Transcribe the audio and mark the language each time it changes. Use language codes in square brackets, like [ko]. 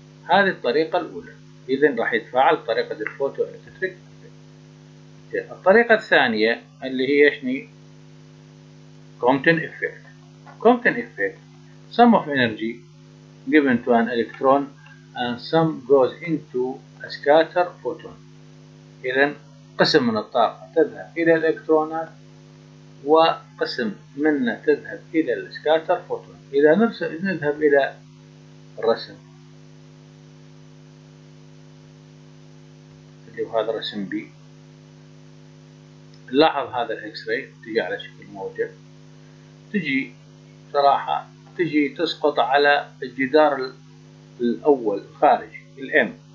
[ar] هذه الطريقة الأولى، إذن راح يتفاعل بطريقة الفوتو إلكتريك. الطريقة الثانية اللي هي شني؟ كومبتون إفكت. [en] Compton effect sum of energy given to an electron and sum goes into a scatter photon. [ar] إذن قسم من الطاقة تذهب إلى الإلكترونات وقسم منها تذهب إلى الاسكاتر فوتون. إذا نذهب إلى الرسم اللي هو هذا رسم B، لاحظ هذا الإكس راي تجي على شكل موجة، تجي صراحة تجي تسقط على الجدار الأول الخارجي الـ M،